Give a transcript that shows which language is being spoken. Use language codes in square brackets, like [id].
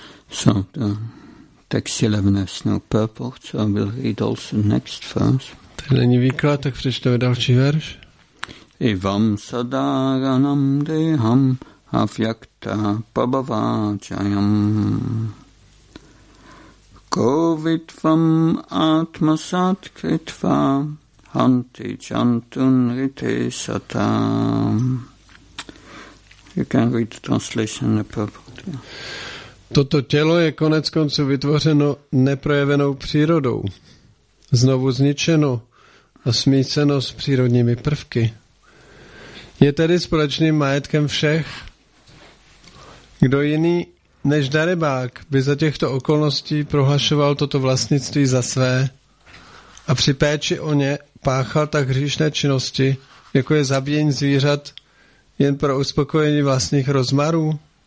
[en] So the text 11 has no purport, so I will read also next verse. [cs] Tak není výklad, tak přečteme další verš. [sa] Ivam sadaranam deham avyakta pabavajayam kovitvam atmasat kritva hanti chantun rite satam. [en] You can read the translation in the purport. [cs] Toto tělo je konec konců vytvořeno neprojevenou přírodou, znovu zničeno a smíceno s přírodními prvky. Je tedy společným majetkem všech. Kdo jiný než darebák by za těchto okolností prohlašoval toto vlastnictví za své a při péči o ně páchal tak hříšné činnosti, jako je zabíjení zvířat, jen pro uspokojení vlastních rozmarů?